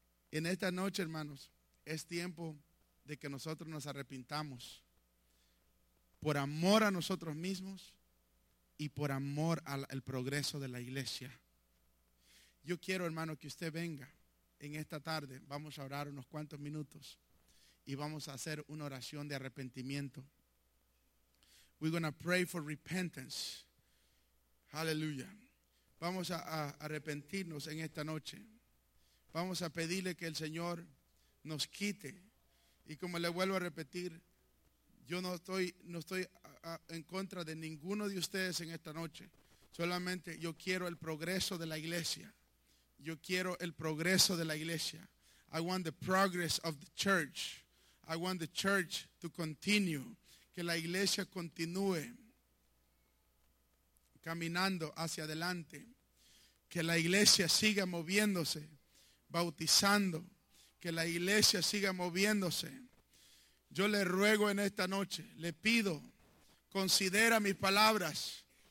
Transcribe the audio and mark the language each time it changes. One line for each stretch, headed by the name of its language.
Spanish: En esta noche, hermanos, es tiempo de que nosotros nos arrepintamos por amor a nosotros mismos y por amor al progreso de la iglesia. Yo quiero, hermano, que usted venga en esta tarde. Vamos a orar unos cuantos minutos. Y vamos a hacer una oración de arrepentimiento.
English: We're going to pray for repentance. Hallelujah.
Spanish: Vamos a arrepentirnos en esta noche. Vamos a pedirle que el Señor nos quite. Y como le vuelvo a repetir, yo no estoy en contra de ninguno de ustedes en esta noche. Solamente yo quiero el progreso de la iglesia. Yo quiero el progreso de la iglesia.
English: I want the progress of the church. I want the church to continue.
Spanish: Que la iglesia continúe caminando hacia adelante. Que la iglesia siga moviéndose, bautizando. Que la iglesia siga moviéndose. Yo le ruego en esta noche, le pido, considera mis palabras.